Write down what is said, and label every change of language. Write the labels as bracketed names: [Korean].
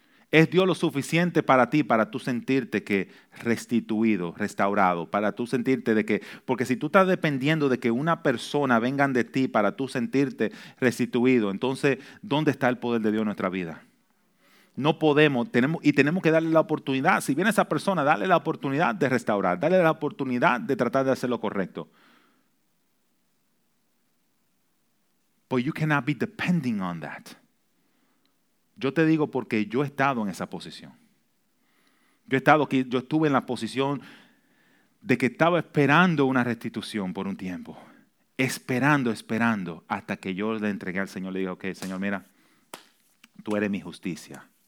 [Spanish] ¿Es Dios lo suficiente para ti, para tú sentirte que restituido, restaurado, para tú sentirte de que, porque si tú estás dependiendo de que una persona venga de ti para tú sentirte restituido, entonces, ¿dónde está el poder de Dios en nuestra vida? No podemos, tenemos que darle la oportunidad. Si viene esa persona, dale la oportunidad de restaurar, dale la oportunidad de tratar de hacer lo correcto. [English] But you cannot be depending on that. [Spanish] Yo te digo porque yo he estado en esa posición. Yo estuve en la posición de que estaba esperando una restitución por un tiempo. Esperando hasta que yo le entregué al Señor. Le dije, ok, Señor, mira, tú eres mi justicia.